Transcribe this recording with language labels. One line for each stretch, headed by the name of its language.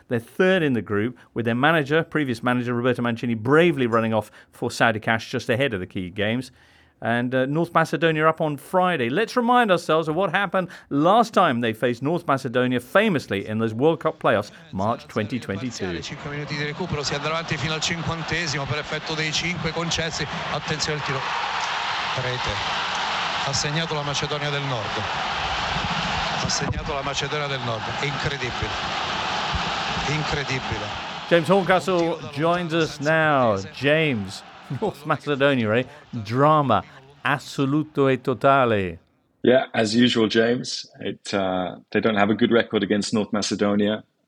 English: They're third in the group, with their manager, previous manager Roberto Mancini, bravely running off for Saudi cash just ahead of the key games. And North Macedonia up on Friday. Let's remind ourselves of what happened last time they faced North Macedonia famously in those World Cup playoffs, March 2022.
Italian: 5 minuti di recupero, si andrà avanti fino al cinquantesimo per effetto dei cinque concessi. Attenzione al tiro. Rete. Ha segnato la Macedonia del Nord. Ha segnato la Macedonia del Nord. Incredibile. Incredibile.
English: James Horncastle joins us now. James. North Macedonia, eh? Drama,
Italian: assoluto e totale.
English: Yeah, as usual, James. They don't have a good record against North Macedonia.